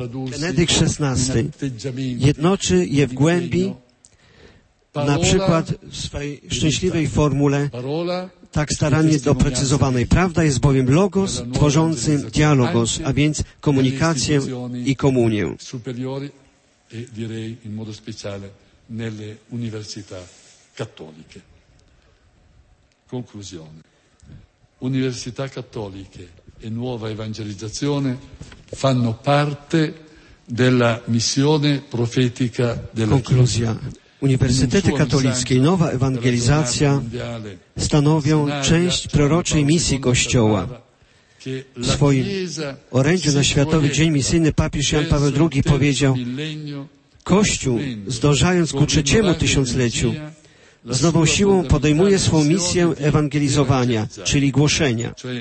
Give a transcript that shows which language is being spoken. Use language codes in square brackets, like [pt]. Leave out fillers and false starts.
[pl] Benedykt XVI jednoczy je w głębi, na przykład w swej szczęśliwej formule, tak starannie doprecyzowanej. Prawda jest bowiem logos tworzącym dialogos, a więc komunikację i komunię. [it] e direi in modo speciale nelle università cattoliche. Conclusione. Università cattoliche e nuova evangelizzazione fanno parte della missione profetica della Chiesa. [pl] Uniwersytety katolickie i nowa ewangelizacja stanowią część proroczej misji Kościoła. W swoim orędziu na Światowy Dzień Misyjny papież Jan Paweł II powiedział: Kościół, zdążając ku trzeciemu tysiącleciu, z nową siłą podejmuje swą misję ewangelizowania, czyli głoszenia.